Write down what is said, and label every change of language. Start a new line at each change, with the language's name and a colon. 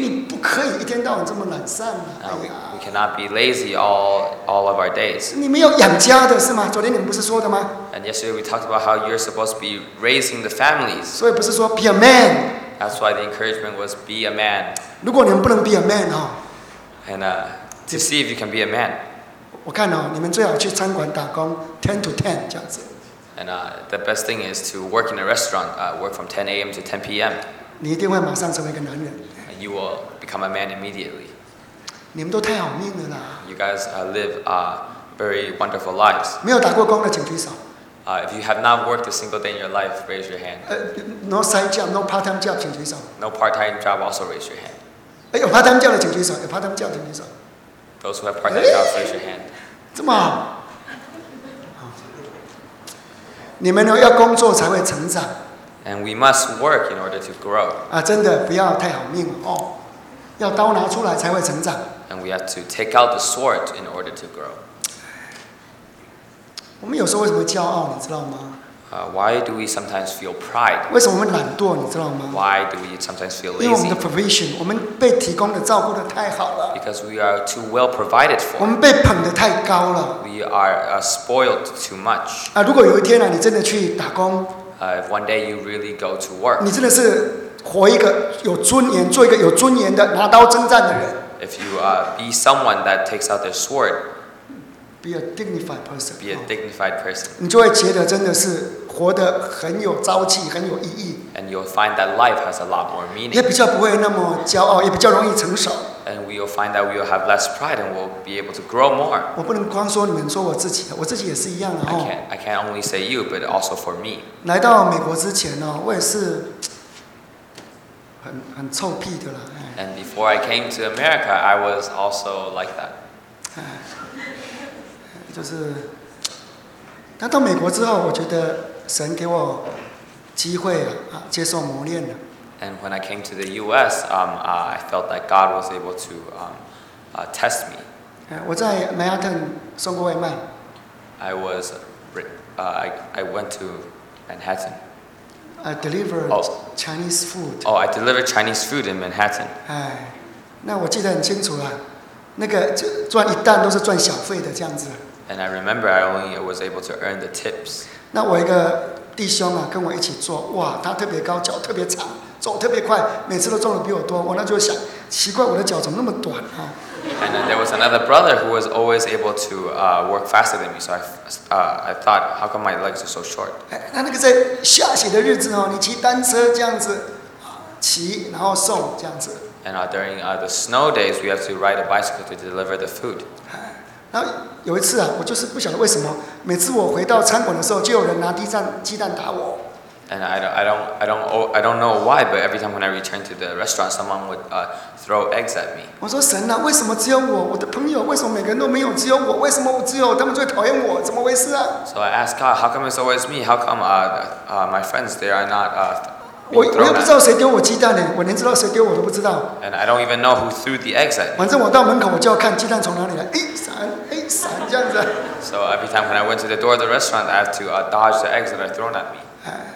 Chinese: 你不可以一天到晚这么懒散嘛？哎呀。
English: We cannot be lazy all of our days.
Chinese: 你们要养家的是吗？昨天你们不是说的吗
English: ？And yesterday we talked about how you're supposed to be raising the families.
Chinese: 所以不是说
English: be a man. That's why the encouragement was be a man.
Chinese: 如果你们不能
English: be a man
Chinese: 哈。
English: And To see if you can be a man.
Chinese: 我看哦，你们最好去餐馆打工 ，
English: ten to ten
Chinese: 这样子。
English: And the best thing is to work in a restaurant, work from 10 a.m. to 10 p.m.
Chinese: 你一定会马上成为一个男人。
English: you will become a man immediately.
Chinese: 你们都太好命了啦。
English: You guys live very wonderful lives.
Chinese: 没有打过工的请举手。
English: If you have not worked a single day in your life, raise your hand. No side job, no part-time job,
Chinese: 请举手。
English: No part-time job, also raise your hand.
Chinese: 有 part-time job 的请举手，有 part-time job 请举手。
English: Those who have part-time jobs, raise your hand.
Chinese: 这么好。你们要工作才会成长。
English: And we must work in order to grow.
Chinese: 真的不要太好命哦，要刀拿出来才会成长。
English: And we have to take out the sword in order to grow.
Chinese: 我们有时候为什么骄傲，你知道吗？
English: Why do we sometimes feel pride?
Chinese: 为什么我们懒惰，你知道吗？
English: Why do we sometimes feel lazy?
Chinese: 因为我们的 provision, 我们被提供的照顾的太好了。
English: Because we are too well provided for.
Chinese: 我们被捧的太高了。
English: We are spoiled too much.
Chinese: 如果有一天你真的去打工。
English: If one day you really go to work.
Chinese: 你真的是活一个有尊严，做一个有尊严的拿刀征战的人。
English: If you be someone that takes out their sword. Be a dignified person. Be a dignified person.
Chinese: 你就会觉得真的是活得很有朝气，很有意义。
English: And you'll find that life has a lot more meaning.
Chinese: 也比较不会那么骄傲，也比较容易成熟。
English: And we will find that we will have less pride and we'll be able to grow more.
Chinese: 我不能光说你们，说我自己，我自己也是一样的。
English: I can't only say you, but also for me.
Chinese: 来到美国之前呢，我也是很臭屁的啦。
English: And before I came to America, I was also like that.
Chinese: 就是，但到美国之后，我觉得神给我机会接受磨练了。
English: And when I came to the U.S., I felt that God was able to test me.
Chinese: 我在曼哈顿送过外卖。
English: I was I went to Manhattan. I delivered Chinese food. Oh, I delivered Chinese food in Manhattan.
Chinese: 那我记得很清楚啊，那个赚一单都是赚小费的这样子。
English: And I remember I only was able to earn the tips.
Chinese: 那我一个弟兄啊，跟我一起做，哇，他特别高，脚特别长，走特别快，每次都中的比我多。我那就想，奇怪，我的脚怎么那么短啊
English: ？And then there was another brother who was always able to work faster than me. So I thought, how come my legs are so short?
Chinese: 那个在下雪的日子哦，你骑单车这样子，骑然后送这样子。
English: And during the snow days, we have to ride a bicycle to deliver the food.
Chinese: 然后有一次啊，我就是不晓得为什么，每次我回到餐馆的时候，就有人拿地上鸡蛋打我。
English: And I don't know why, but every time when I return to the restaurant, someone would throw eggs at me.
Chinese: 我说神啊，为什么只有我？我的朋友为什么每个人都没有？只有我？为什么我只有他们最讨厌我？怎么回事啊
English: ？So I asked God, how come it's always me? How come my friends they are not
Chinese: 我也不知道谁丢我鸡蛋呢，我连知道谁丢我都不知道。
English: And I don't even know who threw the eggs at me.
Chinese: 反正我到门口我就要看鸡蛋从哪里来，哎闪，哎闪这样子。
English: So every time when I went to the door of the restaurant, I have to dodge the eggs that are thrown at me.